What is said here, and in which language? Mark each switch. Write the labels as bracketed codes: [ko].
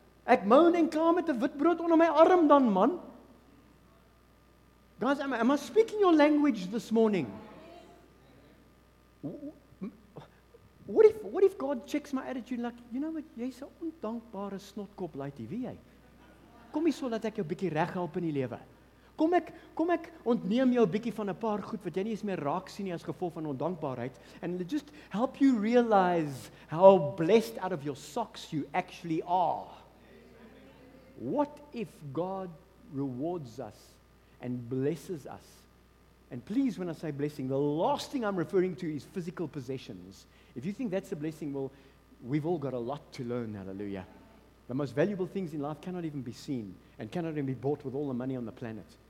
[af] Ek moan en kla met 'n witbrood onder my arm dan, man. [en] Guys, am I speaking your language this morning? What if God checks my attitude like, you know what, [af] jy's 'n ondankbare snotkop lyk jy, wie jy? Kom hier so dat ek jou bietjie reg help in die lewe. Kom ek ontneem jou 'n bietjie van 'n paar goed wat jy nie eens meer raak sien nie as gevolg van ondankbaarheid, [en] and it just help you realize how blessed out of your socks you actually are. What if God rewards us and blesses us? And please, when I say blessing, the last thing I'm referring to is physical possessions. If you think that's a blessing, well, we've all got a lot to learn, hallelujah. The most valuable things in life cannot even be seen and cannot even be bought with all the money on the planet.